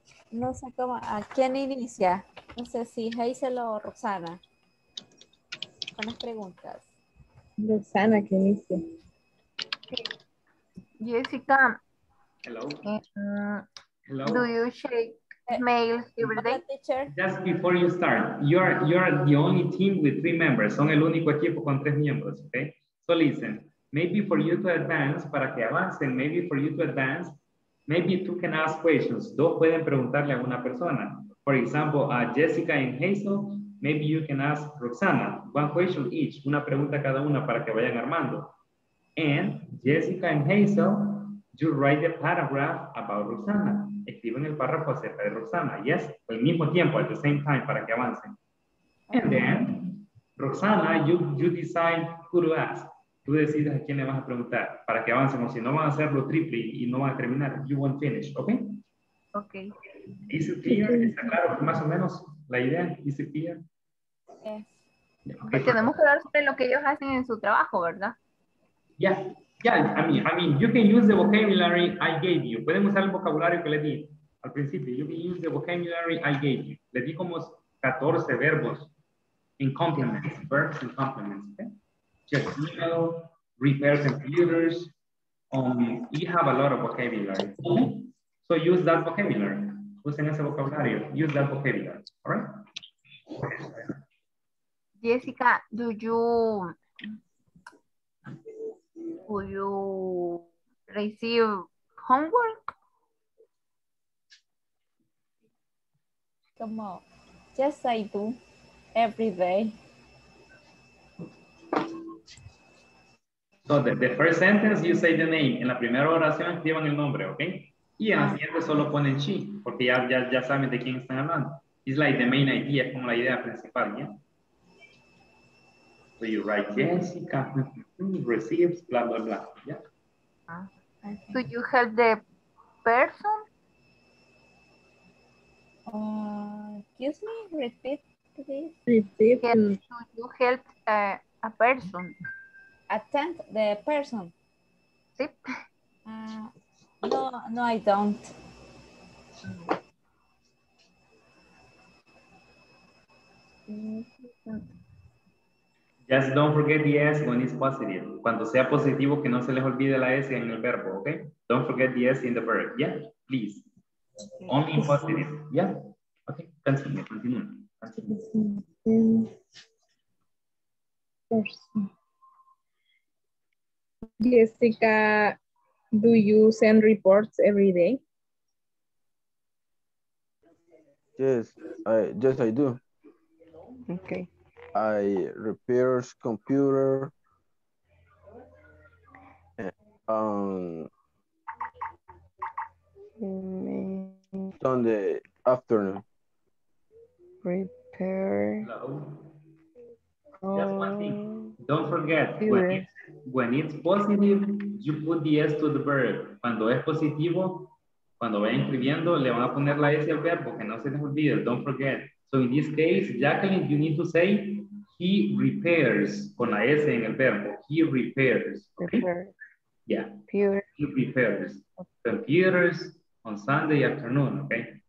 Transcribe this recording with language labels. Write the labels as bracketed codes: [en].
[es] No sé cómo, ¿a quién inicia? No sé si Hazel o Roxana. Con las preguntas. Roxana, ¿qué inicia? Jessica. [en] Hello. Hello. Do you shake mail every day? Teacher. Just before you start, you are the only team with three members. [es] Son el único equipo con tres miembros, okay? [en] So listen, maybe for you to advance, [es] para que avancen, [en] maybe for you to advance, maybe two can ask questions. [es] Dos pueden preguntarle a una persona. [en] For example, Jessica and Hazel, Maybe you can ask Roxana one question each, [es] una pregunta cada una para que vayan armando. [en] And Jessica and Hazel, you write the paragraph about Roxana. [es] Escriben el párrafo acerca de Roxana. [en] Yes, [es] al mismo tiempo, [en] at the same time, [es] para que avancen. [en] And then, Roxana, you decide who to ask. [es] Tú decides a quién le vas a preguntar para que avancen, o si no van a hacerlo triple y no van a terminar. [en] You won't finish, ¿ok? Ok. Is it clear? [es] ¿Está claro? Más o menos la idea. Is it clear? [en] Okay. [es] Pues tenemos que hablar sobre lo que ellos hacen en su trabajo, ¿verdad? [en] Yeah, I mean, you can use the vocabulary I gave you. [es] Pueden usar el vocabulario que le di al principio. [en] You can use the vocabulary I gave you. [es] Le di como 14 verbos [en] in complements, verbs in complements. Just email, repair computers. You have a lot of vocabulary. So use that vocabulary. [es] Usen ese vocabulario. [en] Use that vocabulary. All right? Jessica, do you receive homework? Come on. Yes, I do. Every day. So the first sentence, you say the name. [es] En la primera oración, escriban el nombre, ¿ok? Y en la siguiente solo ponen she, porque ya saben de quién están hablando. [en] It's like the main idea, [es] como la idea principal, ¿ya? [en] So you write Jessica, receives, blah, blah, blah. Do you help the person? Excuse me, repeat, please. Do you help a person? Attend the person? [es] Sí. [en] No, I don't. Just don't forget the S when it's positive. [es] Cuando sea positivo, que no se les olvide la S en el verbo, ¿ok? [en] Don't forget the S in the verb. Yeah, please. Okay. Only in positive. Yeah. Okay, continue. Person. Jessica, do you send reports every day? Yes, I do. Okay. I repair computer. Sunday afternoon. Repair. Hello. Just one thing. Don't forget, when it's positive, you put the S to the verb. [es] Cuando es positivo, cuando vayan escribiendo, le van a poner la S al verbo, que no se les olvide. [en] Don't forget. So in this case, Jacqueline, you need to say, he repairs, [es] con la S en el verbo. [en] He repairs. Okay? Yeah. He repairs. Computers on Sunday afternoon, okay?